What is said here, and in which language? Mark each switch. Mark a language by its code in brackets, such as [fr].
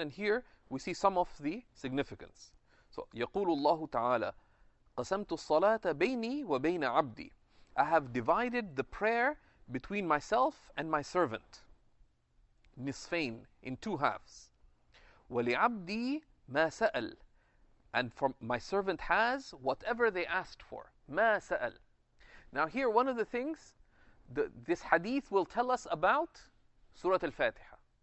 [en] And here we see some of the significance. [ar] So يقول الله تعالى قسمت الصلاة بيني وبين عبدي. [en] I have divided the prayer between myself and my servant. نصفين, in two halves. [ar] ولعبدي ما سأل. [en] And from my servant has whatever they asked for. [ar] ما سأل. [en] Now here, one of the things, this hadith will tell us about Surah Al-Fatiha.